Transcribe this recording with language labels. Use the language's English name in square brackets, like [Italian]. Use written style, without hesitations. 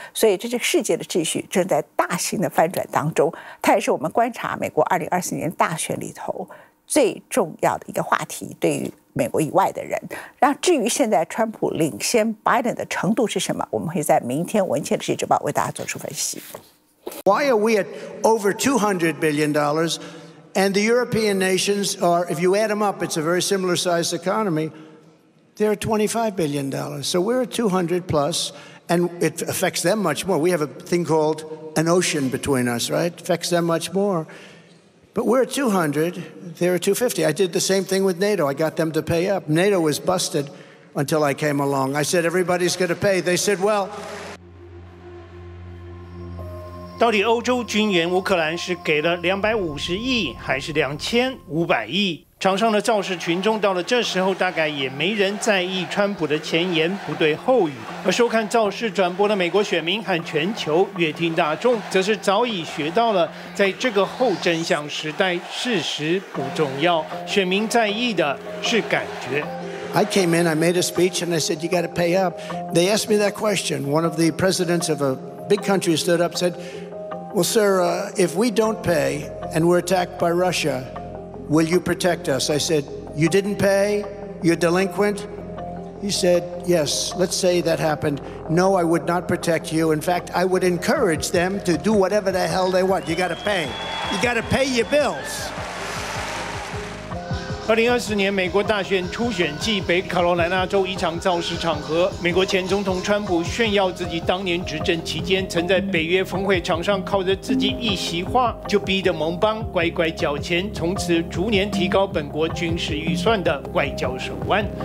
[Chinese] 所以这是世界的秩序正在大型的翻转当中，它也是我们观察美国2024年大选里头最重要的一个话题，对于美国以外的人。那至于现在川普领先拜登的程度是什么，我们会在明天文茜的世界周报为大家做出分析。 [English] Why are we at over $200 billion and the European nations are, if you add them up, it's a very similar sized economy, They are $25 billion. So we're at 200 plus, and it affects them much more. We have a thing called an ocean between us, right? It affects them much more. But we're at 200. They're at 250. I did the same thing with NATO. I got them to pay up. NATO was busted until I came along. I said, everybody's going to pay. They said, well, [Chinese] 到底欧洲军援乌克兰是给了250亿还是2500亿？场上的造势群众到了这时候大概也没人在意川普的前言不对后语，而收看造势转播的美国选民和全球乐听大众则是早已学到了，在这个后真相时代，事实不重要，选民在意的是感觉。 [English] I came in, I made a speech, and I said, you got to pay up. They asked me that question. One of the presidents of a big country stood up and said, well, sir, if we don't pay and we're attacked by Russia, will you protect us? I said, you didn't pay? You're delinquent? He said, yes, let's say that happened. No, I would not protect you. In fact, I would encourage them to do whatever the hell they want. You got to pay. You got to pay your bills. [Chinese] 2024年美国大选初选季，北卡罗来纳州一场造势场合，美国前总统川普炫耀自己当年执政期间曾在北约峰会场上靠着自己一席话就逼得盟邦乖乖缴钱，从此逐年提高本国军事预算的外交手腕。